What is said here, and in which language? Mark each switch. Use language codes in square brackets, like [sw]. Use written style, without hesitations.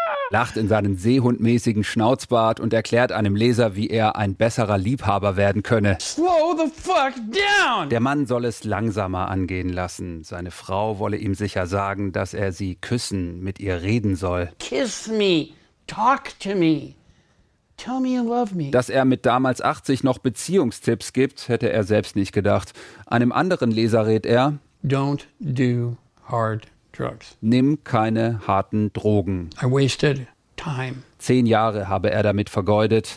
[de] Lacht in seinen seehundmäßigen Schnauzbart und erklärt einem Leser, wie er ein besserer Liebhaber werden könne. [en] Slow the fuck down! [de] Der Mann soll es langsamer angehen lassen. Seine Frau wolle ihm sicher sagen, dass er sie küssen, mit ihr reden soll. [en] Kiss me, talk to me, tell me you love me. [de] Dass er mit damals 80 noch Beziehungstipps gibt, hätte er selbst nicht gedacht. Einem anderen Leser rät er: [en] Don't do hard. [de] Nimm keine harten Drogen. [en] I wasted time. [de] 10 Jahre habe er damit vergeudet.